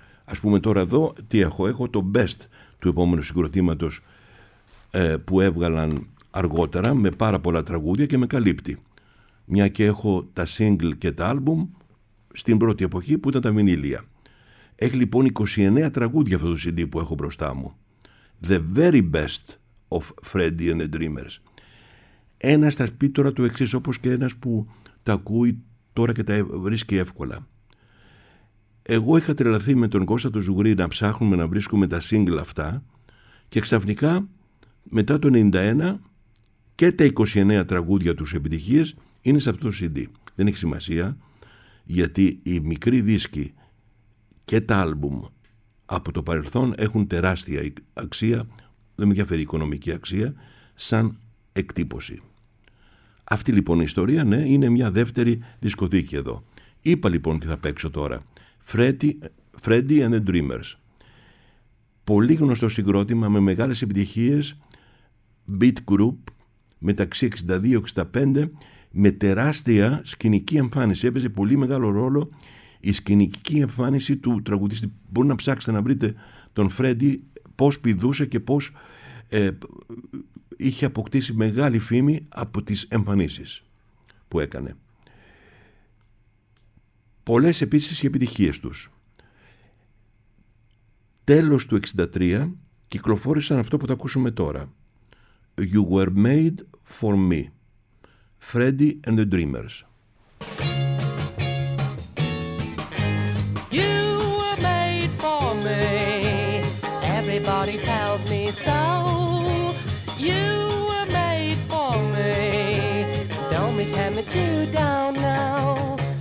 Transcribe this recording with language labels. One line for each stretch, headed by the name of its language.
Greek: Ας πούμε τώρα εδώ, τι έχω? Έχω το best του επόμενου συγκροτήματος που έβγαλαν αργότερα, με πάρα πολλά τραγούδια και με καλύπτει. Μια και έχω τα single και τα album στην πρώτη εποχή που ήταν τα βινήλια. Έχει λοιπόν 29 τραγούδια αυτό το CD που έχω μπροστά μου.
English: The very best of Freddy and the Dreamers.
Greek: Ένας θα πει τώρα το εξής, όπως και ένας που τα ακούει τώρα και τα βρίσκει εύκολα. Εγώ είχα τρελαθεί με τον Κώστα τον Ζουγρή να ψάχνουμε να βρίσκουμε τα single αυτά και ξαφνικά μετά το 91 και τα 29 τραγούδια τους επιτυχίες είναι σε αυτό το CD. Δεν έχει σημασία, γιατί οι μικροί δίσκοι και τα άλμπουμ από το παρελθόν έχουν τεράστια αξία, δεν με διαφέρει η οικονομική αξία, σαν εκτύπωση. Αυτή λοιπόν η ιστορία, ναι, είναι μια δεύτερη δισκοθήκη εδώ. Είπα λοιπόν τι θα παίξω τώρα.
English: Freddy and the Dreamers.
Greek: Πολύ γνωστό συγκρότημα με μεγάλες επιτυχίες, beat group μεταξύ 62-65, με τεράστια σκηνική εμφάνιση. Έπαιζε πολύ μεγάλο ρόλο η σκηνική εμφάνιση του τραγουδιστή. Μπορεί να ψάξετε να βρείτε τον Freddy πώς πηδούσε και πώς είχε αποκτήσει μεγάλη φήμη από τις εμφανίσεις που έκανε. Πολλές επίσης οι επιτυχίες τους. Τέλος του 63 κυκλοφόρησαν αυτό που θα ακούσουμε τώρα.
English: «You were made for me», Freddy and the Dreamers. You were made for me, everybody tells me so. You were made for me, don't pretend that you don't know.